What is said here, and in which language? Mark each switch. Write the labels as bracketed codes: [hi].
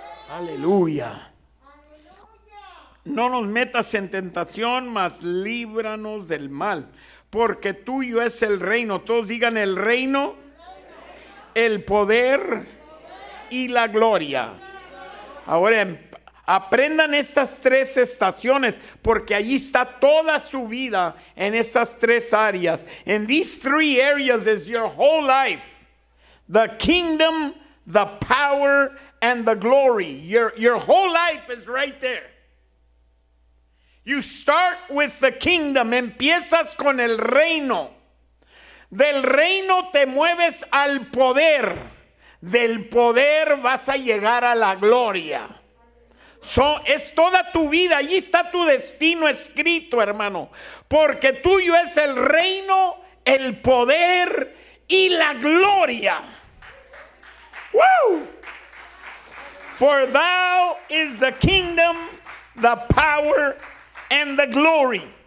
[es] Aleluya. No nos metas en tentación, mas líbranos del mal, porque tuyo es el reino. Todos digan el reino, el poder y la gloria. Ahora aprendan estas tres estaciones, porque allí está toda su vida, en estas tres áreas. [en] In these three areas is your whole life: the kingdom, the power, and the glory. Your whole life is right there. You start with the kingdom. [es] Empiezas con el reino. Del reino te mueves al poder. Del poder vas a llegar a la gloria. So, es toda tu vida. Allí está tu destino escrito, hermano. Porque tuyo es el reino, el poder y la gloria. Woo! [en] For thou is the kingdom, the power, and the glory.